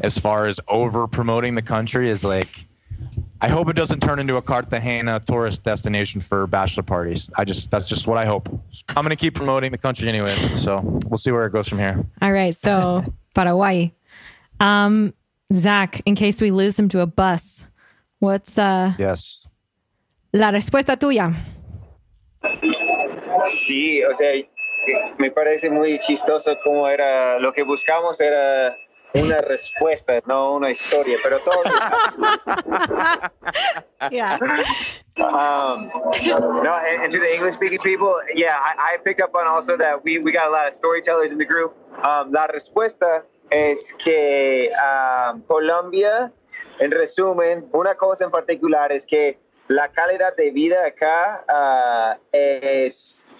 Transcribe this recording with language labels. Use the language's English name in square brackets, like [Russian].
[English] as far as over-promoting the country. Is like, I hope it doesn't turn into a Cartagena tourist destination for bachelor parties. That's just what I hope. I'm going to keep promoting the country anyways. So we'll see where it goes from here. All right. So Paraguay. Zach, in case we lose him to a bus, what's... Yes. [Spanish] La respuesta tuya. Sí, o sea, me parece muy chistoso cómo era, lo que buscamos era una respuesta, no una historia, pero todo. [English] Yeah. No, and to the English speaking people, yeah, I picked up on also that we got a lot of storytellers in the group. [Spanish] La respuesta es que Colombia, en resumen, una cosa en particular es que la calidad de vida acá es...